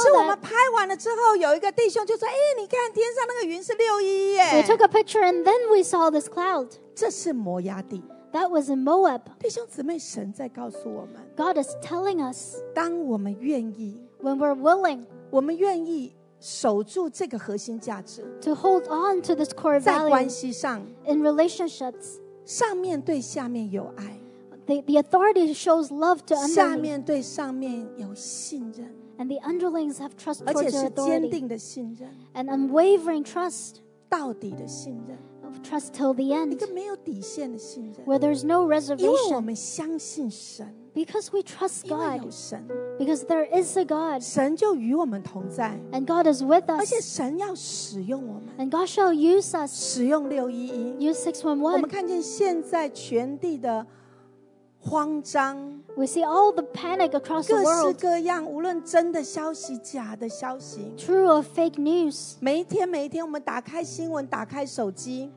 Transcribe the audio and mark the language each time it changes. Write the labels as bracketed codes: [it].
[zh] 是我们拍完了之后, 有一个弟兄就说, 诶, 你看, 天上那个云是611耶 [en] We took a picture and then we saw this cloud [zh] 这是摩押地 [en] That was in Moab [zh] 弟兄姊妹, 神在告诉我们, [en] God is telling us [zh] 当我们愿意, [en] When we're willing [zh] 我们愿意 守住这个核心价值, [en] to hold on to this core value [zh] 在关系上, [en] in relationships [zh] 上面对下面有爱, [en] the authority shows love to underlings [zh] 下面对上面有信任, [en] and the underlings have trust towards their authority [zh] 而且是坚定的信任, [en] and unwavering trust [zh] 到底的信任, [en] of trust till the end [zh] 一个没有底线的信任, [en] where there's no reservation [zh] 因为我们相信神, [en] Because we trust God. Because there is a God. And God is with us. And God shall use us. 611. Use 611. [zh] 我们看见现在全地的慌张, [en] we see all the panic across the world. [zh] 各式各样, 无论真的消息, 假的消息, [en] true or fake news. [zh] 每一天, 我们打开新闻, 打开手机,